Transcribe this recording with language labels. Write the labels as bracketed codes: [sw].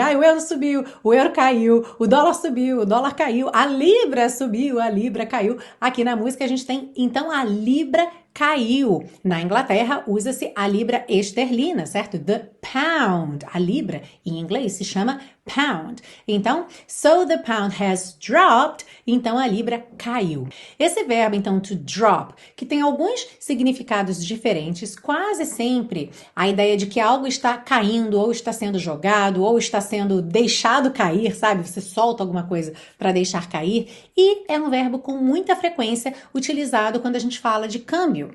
[pt] Ah, o euro subiu, o euro caiu, o dólar subiu, o dólar caiu, a libra subiu, a libra caiu. Aqui na música a gente tem, então, a libra caiu. Na Inglaterra usa-se a libra esterlina, certo? [en] The pound. [pt] A libra em inglês se chama pound. Então, [en] so the pound has dropped. [pt] Então, a libra caiu. Esse verbo, então, to drop, que tem alguns significados diferentes, quase sempre a ideia de que algo está caindo, ou está sendo jogado, ou está sendo deixado cair, sabe? Você solta alguma coisa para deixar cair. E é um verbo com muita frequência utilizado quando a gente fala de câmbio.